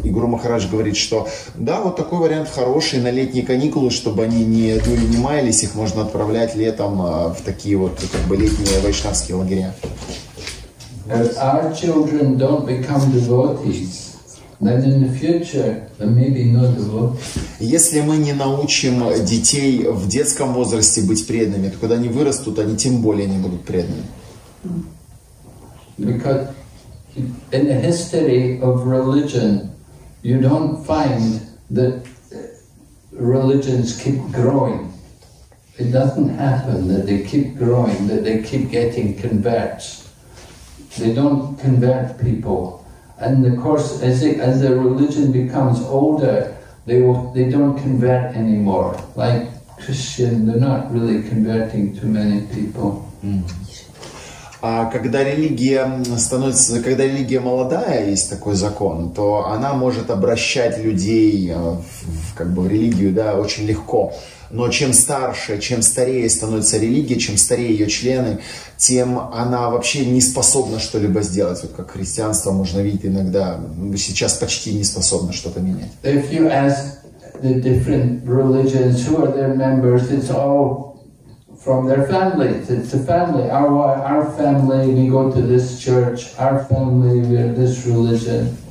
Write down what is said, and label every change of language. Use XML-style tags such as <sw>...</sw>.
<ru>И Гуру Махарадж говорит, что да, вот такой вариант хороший на летние каникулы, чтобы они не дули, не маялись, их можно отправлять летом в такие вот как бы летние вайшнавские лагеря.</ru> <en>But our children don't become devotees. Then in the future, maybe not devotees.</en> <ru>Если мы не научим детей в детском возрасте быть преданными, то когда они вырастут, они тем более не будут преданными.</ru> <en>Because in the history of religion, you don't find that religions keep growing. It doesn't happen that they keep growing, that they keep getting converts. They don't convert people. And of course, as the religion becomes older, they don't convert anymore. Like Christian, they're not really converting too many people.</en> <ru>А когда религия молодая, есть такой закон, то она может обращать людей в как бы в религию, да, очень легко. Но чем старше, чем старее становится религия, чем старее ее члены, тем она вообще не способна что-либо сделать. Вот как христианство можно видеть иногда, сейчас почти не способна что-то менять.</ru> <en>If you ask the different religions, who are their members, it's all from their families. It's the family. Our family, we go to this church, our family, we are this religion.</en>